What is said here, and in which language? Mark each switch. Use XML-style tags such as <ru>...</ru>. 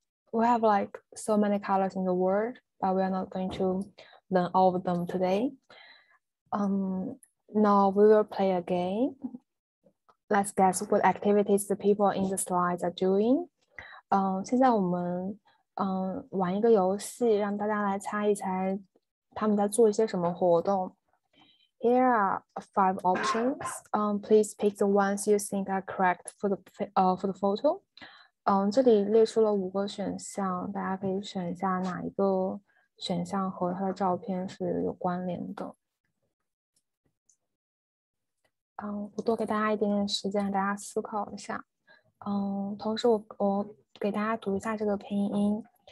<en>We have like so many colors in the world, but we are not going to learn all of them today. Now we will play a game. Let's guess what activities the people in the slides are doing.</en> <zh>现在我们玩一个游戏，让大家来猜一猜他们在做一些什么活动。</zh> <en>Here are five options. Please pick the ones you think are correct for the photo.</en> <zh>这里列出了五个选项，大家可以选一下哪一个选项和他的照片是有关联的。我多给大家一点点时间，大家思考一下。同时我给大家读一下这个拼音。</zh>